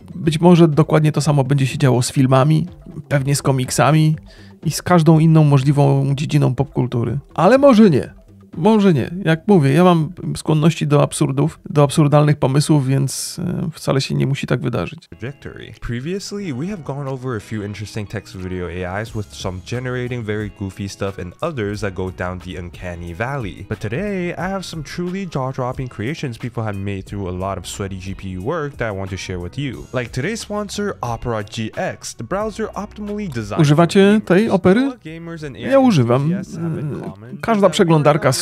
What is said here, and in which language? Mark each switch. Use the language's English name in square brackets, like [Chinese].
[Polish] Być może dokładnie to samo będzie się działo z filmami, pewnie z komiksami i z każdą inną możliwą dziedziną popkultury. Ale może nie. Może nie. Jak mówię, ja mam skłonności do absurdów, do absurdalnych pomysłów, więc wcale się nie musi tak wydarzyć. [English] Previously, we have gone over a few interesting text video AIs with some generating very goofy stuff and others that go down the uncanny valley. But today, I have some truly jaw-dropping creations people have made through a lot of sweaty GPU work that I want to share with you. Like today's sponsor, Opera GX, the browser optimally designed... [Polish] Używacie tej opery? Ja używam. Każda przeglądarka z